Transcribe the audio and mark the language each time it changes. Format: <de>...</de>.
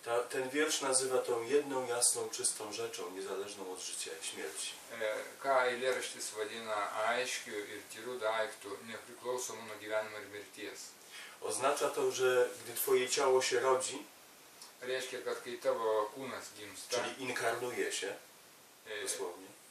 <pl>Ten wiersz nazywa tą jedną jasną, czystą rzeczą, niezależną od życia i śmierci.</pl> <lt>Ką eilėraštis vadina aiškiu ir tyru daiktu, nepriklausomu nuo gyvenimo ir mirties.</lt> <pl>Oznacza to, że gdy twoje ciało się rodzi,</pl> <lt>reiškia, kad kai tavo kūnas gimsta,</lt> <pl>czyli inkarnuje się, dosłownie,</pl>